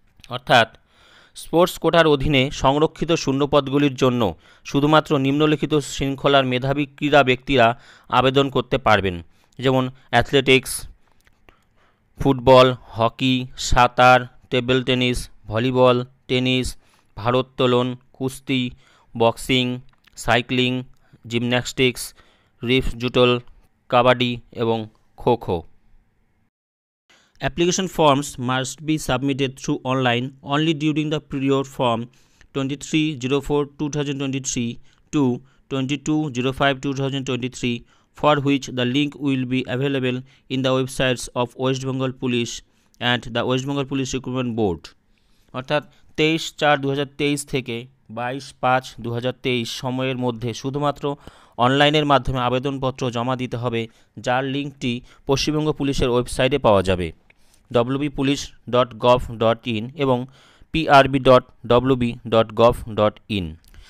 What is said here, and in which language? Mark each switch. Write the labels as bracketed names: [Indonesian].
[Bangla] অর্থাৎ স্পোর্টস কোটার অধীনে সংরক্ষিত শূন্যপদগুলির জন্য শুধুমাত্র নিম্নলিখিত শৃঙ্খলার মেধাবী ক্রীড়া ব্যক্তিরা আবেদন করতে পারবেন, যেমন অ্যাথলেটিক্স, ফুটবল, হকি, সাঁতার, টেবিল টেনিস, ভলিবল, টেনিস, ভারোত্তোলন, কুস্তি, boxing, cycling, gymnastics, reef জুটল, kabaddi এবং kho kho. [English] Application forms must be submitted through online only during the period from 23/04/2023 to 2022-05-2023, for which the link will be available in the websites of West Bengal Police and the West Bengal Police Recruitment Board. [Bangla] অর্থাৎ 23-4-2023 থেকে 22-5-2023 সময়ের মধ্যে শুধুমাত্র অনলাইনের মাধ্যমে আবেদনপত্র জমা দিতে হবে, যার লিঙ্কটি পশ্চিমবঙ্গ পুলিশের ওয়েবসাইটে পাওয়া যাবে wbpolice.gov.in এবং prb.wb.gov.in.